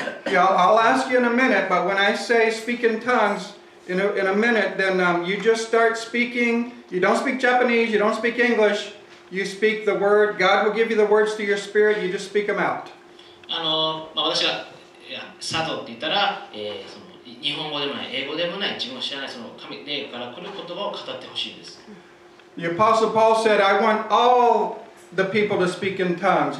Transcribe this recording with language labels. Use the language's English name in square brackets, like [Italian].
[English] Yeah, I'll ask you in a minute, but when I say speak in tongues in a minute, then you just start speaking. You don't speak Japanese, you don't speak English. You speak the word. God will give you the words to your spirit. You just speak them out. [Japanese] まあ、私がいや、悟って言ったら、その日本語でもない、英語でもない、自分を知らないその神霊から来る言葉を語ってほしいです。 [English] The Apostle Paul said, I want all... the people to speak in tongues.